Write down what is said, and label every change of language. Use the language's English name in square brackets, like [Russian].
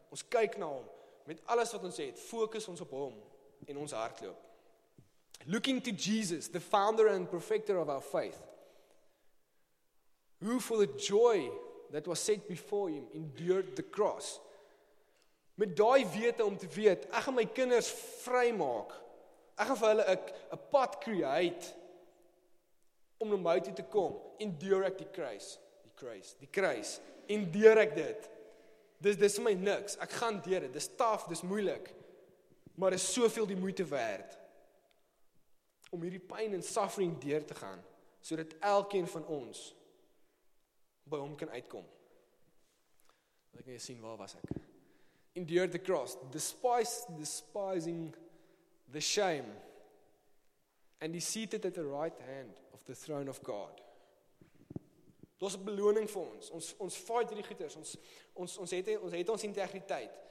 [Afrikaans] Ons kyk na hom met alles wat ons het, fokus ons op hom en ons hardloop. [English] Looking to Jesus, the founder and perfecter of our faith, who for the joy that was set before him endured the cross. [Afrikaans] Met daai wete om te weet, ek gaan my kinders vrymaak. Ek gaan vir hulle 'n pad create om na my toe te kom. Endure ek die kruis. Endure ek dit. Dis my niks. Ek gaan deur dit. Dis taaf, dis moeilik. Maar is soveel die moeite werd om hierdie pyn en suffering deur te gaan, sodat elkeen van ons by hom kan uitkom. Wil ek net sien waar was ek? [English] Endure the cross, despising the shame, and he's seated at the right hand of the throne of God. [Afrikaans] Dit is 'n beloning vir ons. Ons fight hierdie goeders. Ons het ons integriteit.